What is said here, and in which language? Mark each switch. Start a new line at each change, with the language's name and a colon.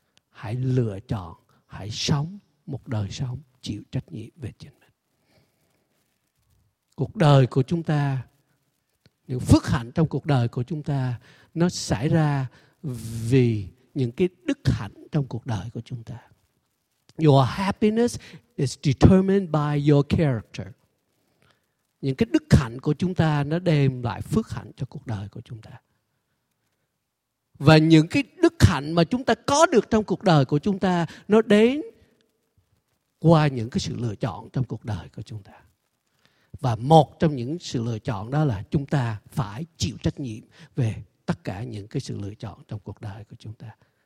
Vietnamese: Hãy lựa chọn, hãy sống một đời sống chịu trách nhiệm về chính mình. Cuộc đời của chúng ta, những phước hạnh trong cuộc đời của chúng ta, nó xảy ra vì những cái đức hạnh trong cuộc đời của chúng ta.
English: Your happiness is determined by your character.
Vietnamese: Những cái đức hạnh của chúng ta nó đem lại phước hạnh cho cuộc đời của chúng ta. Và những cái đức hạnh mà chúng ta có được trong cuộc đời của chúng ta nó đến qua những cái sự lựa chọn trong cuộc đời của chúng ta. Và một trong những sự lựa chọn đó là chúng ta phải chịu trách nhiệm về tất cả những cái sự lựa chọn trong cuộc đời của chúng ta.